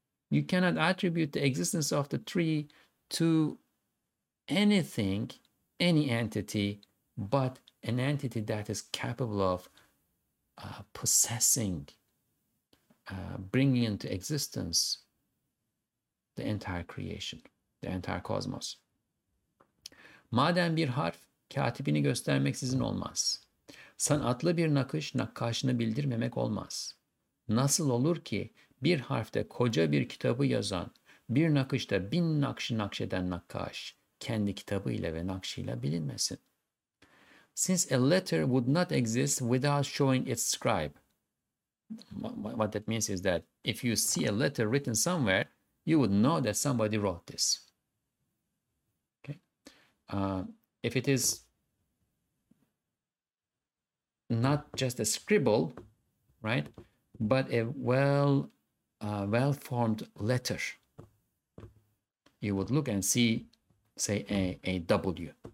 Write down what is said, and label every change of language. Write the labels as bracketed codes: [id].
[en] You cannot attribute the existence of the tree to anything, any entity, but an entity that is capable of possessing, bringing into existence the entire creation, the entire cosmos. [tr] Madem bir harf katibini göstermeksizin olmaz, sanatlı bir nakış nakkaşını bildirmemek olmaz. Nasıl olur ki bir harfte koca bir kitabı yazan, bir nakışta bin nakşı nakşeden nakkaş kendi kitabı ile ve nakşıyla bilinmesin? [en] Since a letter would not exist without showing its scribe. What that means is that if you see a letter written somewhere, you would know that somebody wrote this. Okay. If it is not just a scribble, right, but a well-formed letter, you would look and see, say, a W.